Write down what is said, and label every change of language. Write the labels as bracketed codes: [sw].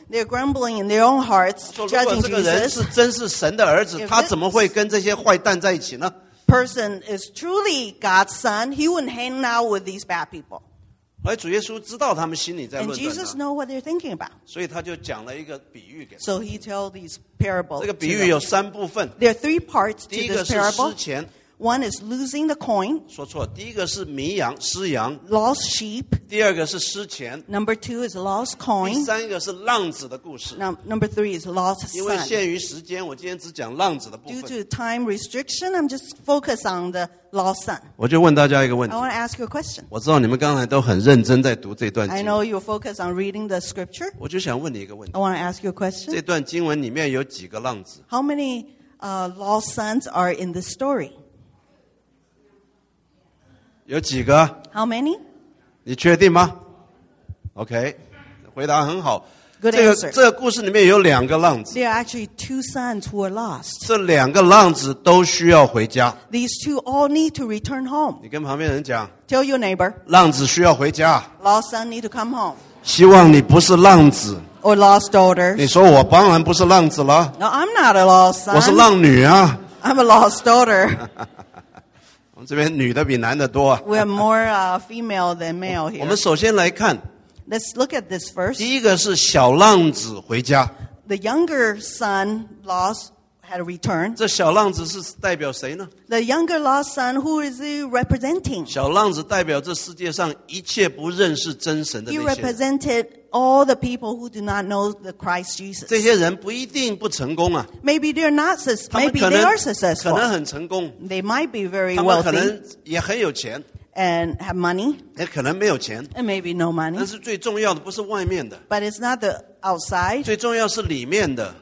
[en] They're grumbling in their own hearts, judging Jesus. [zh] 如果这个人是真是神的儿子，他怎么会跟这些坏蛋在一起？ [en] Person is truly God's son. He wouldn't hang out with these bad people. [zh] 而主耶稣知道他们心里在论断。 [en] And Jesus know what they're thinking about. [zh] 所以他就讲了一个比喻给。 [en] So he tell these parables. [zh] 这个比喻有三部分。 [en] There are three parts to this parable. [zh] 第一个是失钱。 [en] One is losing the coin. [zh] 说错，第一个是迷羊失羊。 [en] Lost sheep. [zh] 第二个是失钱。 [en] Number two is lost coin. [zh] 第三个是浪子的故事。 [en] Number three is lost son. [zh] 因为限于时间，我今天只讲浪子的部分。 [en] Due to time restriction, I'm just focus on the lost son. [zh] 我就问大家一个问题。 [en] I want to ask you a question. [zh] 我知道你们刚才都很认真在读这段经文。 [en] I know you focus on reading the scripture. [zh] 我就想问你一个问题。 [en] I want to ask you a question. [zh] 这段经文里面有几个浪子？ [en] How many lost sons are in this story? [zh] 有几个 [en] How many? [zh] 你确定吗 OK 回答很好 [en] Good answer [zh] 这个故事里面有两个浪子 [en] There are actually two sons who are lost [zh] 这两个浪子都需要回家 [en] These two all need to return home [zh] 你跟旁边人讲 [en] Tell your neighbor [zh] 浪子需要回家 [en] Lost son need to come home [zh] 希望你不是浪子 [en] Or lost daughters [zh] 你说我当然不是浪子了 [en] No, I'm not a lost son [zh] 我是浪女啊 [en] I'm a lost daughter [zh] 这边女的比男的多。 [en] We are more female than male here. [zh] 我们首先来看。 [en] Let's look at this first. [zh] 第一个是小浪子回家。 [en] The younger son lost had returned. [zh] 这小浪子是代表谁呢 [en] ？The younger lost son, who is he representing? [zh] 小浪子代表这世界上一切不认识真神的那些人。 [en] He represented all the people who do not know the Christ Jesus. [zh] 这些人不一定不成功啊。 [en] Maybe they're not successful. Maybe they are successful. [zh] 可能很成功。 [en] They might be very wealthy. [zh] 他们可能也很有钱。 [en] And have money. [zh] 也可能没有钱。 [en] And maybe no money. [zh] 但是最重要的不是外面的。 [en] But it's not the outside. [zh] 最重要是里面的。